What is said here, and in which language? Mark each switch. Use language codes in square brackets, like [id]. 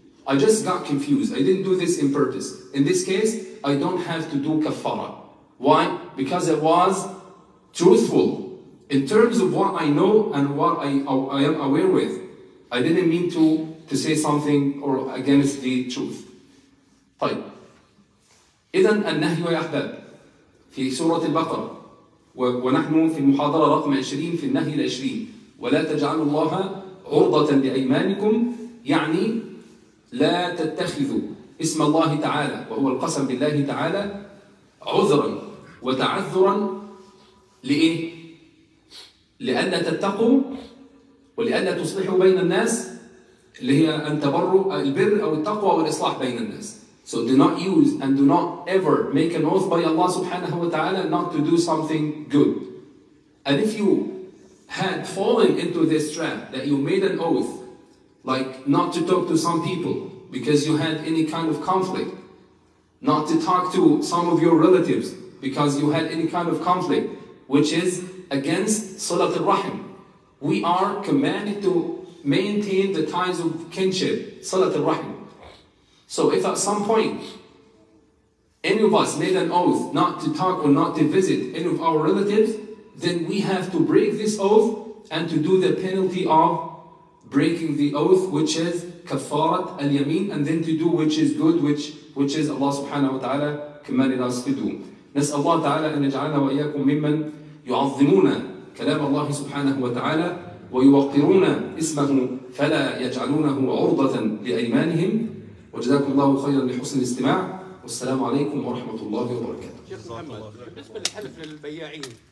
[en] I just got confused. I didn't do this in purpose. In this case, I don't have to do kafara. Why? Because it was truthful in terms of what I know and what I am aware with. I didn't mean to say something or against the truth. [ar] طيب. إذن النهي يا أحباب في سورة البقرة ونحن في المحاضرة رقم 20 في النهي 20 ولا تجعلوا الله عرضة لأيمانكم يعني لا تتخذوا اسم الله تعالى وهو القسم بالله تعالى عذرا وتعذرا لإيه؟ لأن تتقوا ولأن تصلحوا بين الناس اللي هي أن تبروا البر أو التقوى والإصلاح بين الناس. [en] So do not use and do not ever make an oath by Allah [ar] سبحانه وتعالى [en] not to do something good. And if you had fallen into this trap that you made an oath like not to talk to some people because you had any kind of conflict, not to talk to some of your relatives because you had any kind of conflict, which is against Salat al-Rahim. We are commanded to maintain the ties of kinship, Salat al-Rahim. So if at some point any of us made an oath not to talk or not to visit any of our relatives, then we have to break this oath and to do the penalty of breaking the oath, which is kafarat al-yamin, and then to do which is good, which is Allah subhanahu wa ta'ala commanded us to do. [ar] نسأل الله تعالى أن يجعلنا وإياكم ممن يعظمون كلام الله سبحانه وتعالى ويوقرون اسمه فلا يجعلونه عرضة لأيمانهم. وجزاكم الله خيرا لحسن الاستماع. والسلام عليكم ورحمة الله وبركاته. شيخ محمد، بالنسبة للحلف للبياعين،